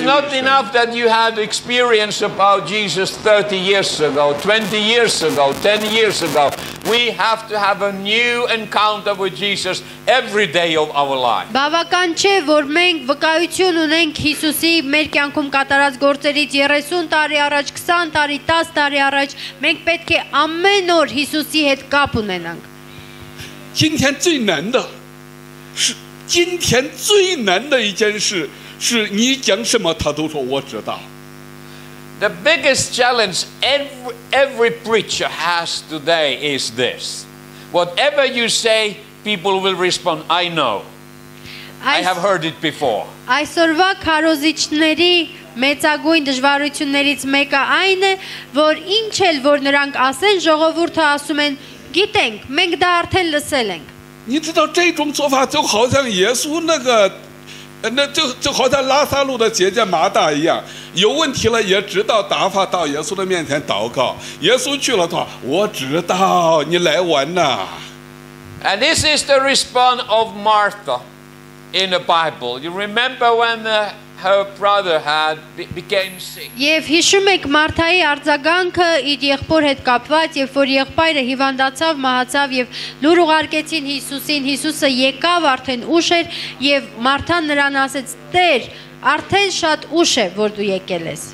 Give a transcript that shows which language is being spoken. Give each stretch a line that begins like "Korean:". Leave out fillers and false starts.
English: not enough that you had experience about Jesus 30 years ago, 20 years ago, 10 years ago. We have to have a new encounter with Jesus every day of our life.
Armenian: Բավական չէ, որ մենք վկայություն ունենք Հիսուսի մեր կյանքում կատարած գործերից 30 տարի առաջ, 20 տարի, 10 տարի առաջ, մենք պետք է ամեն օր Հիսուսի հետ կապ ունենանք։
Chinese: 今天最难的是今天最难的一件事是你讲什么他都说我知道。
English: The biggest challenge every preacher has today is this. Whatever you say, people will respond, I know. I have heard it before.
Armenian: Այսօրվա քարոզիչների մեծագույն դժվարություններից մեկը այն է, որ ինչ էլ որ նրանք ասեն, ժողովուրդը ասում են, գիտենք, մենք դա արդեն լսել ենք.
Chinese: 你知道这种做法就好像耶稣那个，那就好像拉萨路的姐姐玛大一样，有问题了也知道打发到耶稣的面前祷告。耶稣去了的话，我知道你来晚了。And
English: this is the response of Martha in the Bible. You remember when her brother had became sick.
Armenian: Եվ հիշում եք Մարթայի արձագանքը իր եղբոր հետ կապված, երբ որ եղբայրը հիվանդացավ, մահացավ եւ լուր ուղարկեցին Հիսուսին, Հիսուսը եկավ արդեն ուշ էր եւ Մարթան նրան ասեց. Տեր, արդեն շատ ուշ է, որ դու եկել ես.